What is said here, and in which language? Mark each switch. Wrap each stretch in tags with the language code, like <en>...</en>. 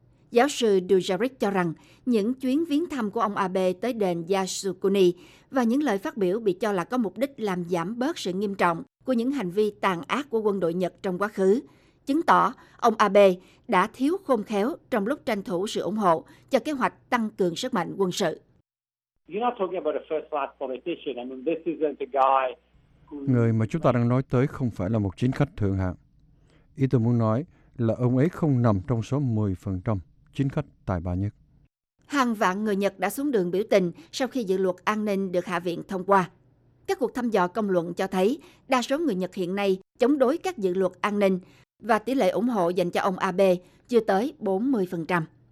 <vi>Giáo sư Dujeric cho rằng những chuyến viếng thăm của ông Abe tới đền Yasukuni và những lời phát biểu bị cho là có mục đích làm giảm bớt sự nghiêm trọng của những hành vi tàn ác của quân đội Nhật trong quá khứ, chứng tỏ ông Abe đã thiếu khôn khéo trong lúc tranh thủ sự ủng hộ cho kế hoạch tăng cường sức mạnh quân sự.</vi> <en>You're not talking about a first-class politician. I mean, this isn't a guy</en> <vi>Người mà chúng ta đang nói tới không phải là một chính khách thượng hạng. Ý tôi muốn nói là ông ấy không nằm trong số 10% chính khách tài ba nhất. Hàng vạn người Nhật đã xuống đường biểu tình sau khi dự luật an ninh được Hạ viện thông qua. Các cuộc thăm dò công luận cho thấy đa số người Nhật hiện nay chống đối các dự luật an ninh và tỷ lệ ủng hộ dành cho ông Abe chưa tới 40%.</vi>